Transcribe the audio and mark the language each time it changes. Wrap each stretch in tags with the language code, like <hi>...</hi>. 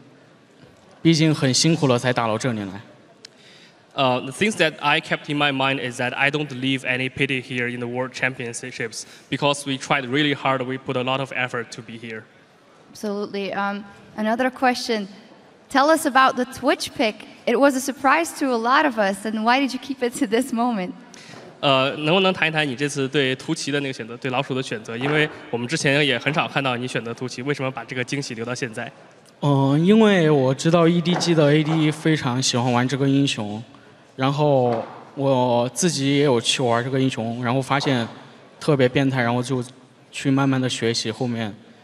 <zh>你可以讲的更多一点，就在这些具体的，当时你们做出这些决定的这些时刻的时候，你们当时是怎么想的吗？嗯，我自己想的就是不要留下遗憾嘛，因为毕竟很辛苦了才打到这里来。</zh> <en>The things that I kept in my mind is that I don't leave any pity here in the World Championships because we tried really hard, we put a lot of effort to be here. Absolutely. Another question. Tell us about the Twitch pick. It was a surprise to a lot of us, and why did you keep it to this moment?</en> <zh>能不能谈一谈你这次对图奇的那个选择，对老鼠的选择？因为我们之前也很少看到你选择图奇，为什么把这个惊喜留到现在？因为我知道 EDG 的 AD 非常喜欢玩这个英雄，然后我自己也有去玩这个英雄，然后发现特别变态，然后就去慢慢的学习，后面。</zh>